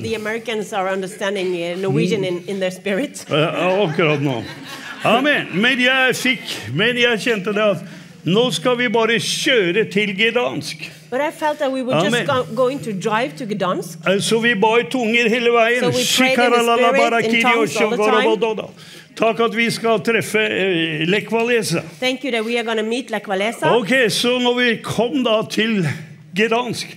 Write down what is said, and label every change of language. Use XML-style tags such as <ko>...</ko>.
<en>The Americans are understanding Norwegian in their spirit.</en> <no>Akkurat nå. Amen. Men jeg kjente det at nå skal vi bare kjøre til Gdansk.</no> <en>But I felt that we were just going to drive to Gdansk.</en> <no>Så vi ba i tunger hele veien.</no> <en>So we prayed in the spirit in tongues all the time.</en> <no>Takk at vi skal treffe Lekvalesa.</no> <en>Thank you that we are going to meet Lekvalesa.</en> <no>Okay, så når vi kom da til Gdansk.</no>